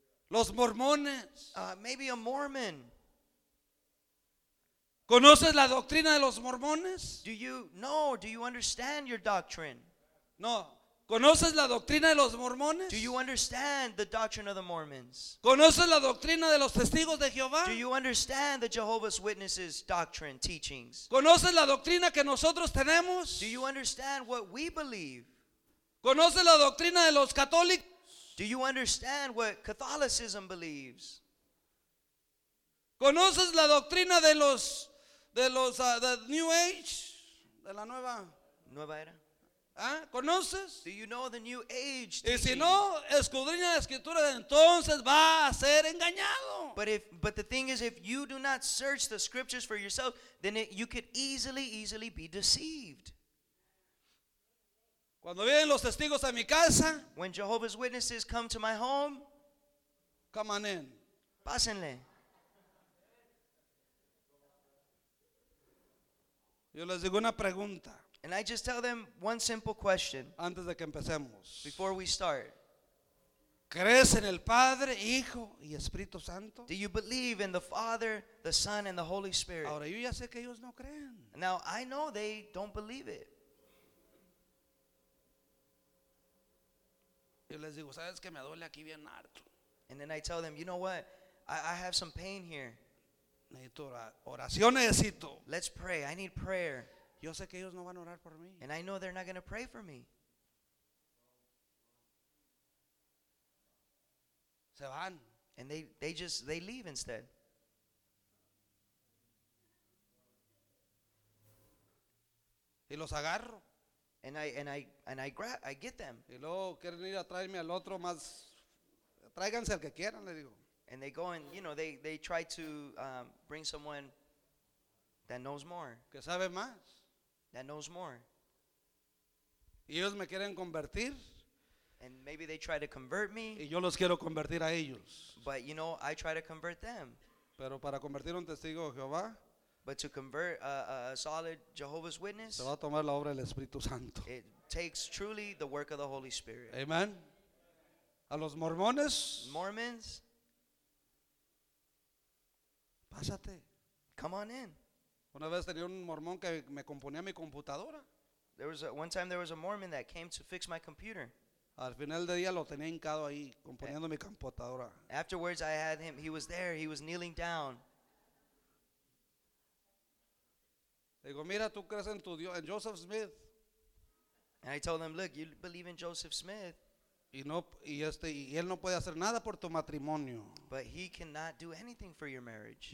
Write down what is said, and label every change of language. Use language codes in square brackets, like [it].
[es] los mormones, [en] maybe a Mormon. [es] ¿Conoces la doctrina de los mormones? [en] Do you know, do you understand your doctrine? [es] No. ¿Conoces la doctrina de los mormones? [en] Do you understand the doctrine of the Mormons? [es] ¿Conoces la doctrina de los testigos de Jehová? [en] Do you understand the Jehovah's Witnesses doctrine, teachings? [es] ¿Conoces la doctrina que nosotros tenemos? [en] Do you understand what we believe? [es] ¿Conoces la doctrina de los católicos? [en] Do you understand what Catholicism believes? [es] ¿Conoces la doctrina de los the New Age? De la nueva era. ¿Ah? ¿Conoces? [en] Do you know the New Age? [es] Y si no, escudriña la escritura, entonces va a ser engañado. [en] But the thing is, if you do not search the scriptures for yourself, then you could easily be deceived. [es] Cuando vienen los testigos a mi casa, [en] when Jehovah's Witnesses come to my home, come on in. [es] Pásenle. Yo les digo una pregunta. [en] And I just tell them one simple question [es] antes de que empecemos. [en] Before we start. [es] ¿Crees en el Padre, Hijo y Espíritu Santo? [en] Do you believe in the Father, the Son, and the Holy Spirit? [es] Ahora, yo ya sé que ellos no creen. [en] Now, I know they don't believe it. [es] Yo les digo, ¿sabes que me duele aquí bien harto? [en] And then I tell them, you know what? I have some pain here. [es] Necesito oración, necesito. [en] Let's pray. I need prayer. [es] Yo sé que ellos no van a orar por mí. [en] And I know they're not going to pray for me. [es] Se van. [en] And they leave instead. [es] Y los agarro. [en] And I get them. [es] Y luego quieren ir a traerme al otro más. Tráiganse el que quieran, le digo. [en] And they go and, you know, they try to bring someone that knows more. [es] Que sabe más. [en] That knows more. [es] Y ellos me quieren convertir. [en] And maybe they try to convert me. [es] Y yo los quiero convertir a ellos. [en] But you know, I try to convert them. [es] Pero para convertir un testigo de Jehová, [en] but to convert a solid Jehovah's Witness, [es] se va a tomar la obra del Espíritu Santo. [en] It takes truly the work of the Holy Spirit. [es] Amen. A los mormones, [en] Mormons, [es] pásate. [en] Come on in. [es] Una vez tenía un mormón que me componía mi computadora. [en] There was a Mormon that came to fix my computer. [es] Al final del día lo tenía hincado ahí componiendo mi computadora. [en] Afterwards I had him, he was there, he was kneeling down. [es] Digo, mira, tú crees en tu Dios, en Joseph Smith. [en] And I told him, look, you believe in Joseph Smith. [es] Y él no puede hacer nada por tu matrimonio. [en] But he cannot do anything for your marriage.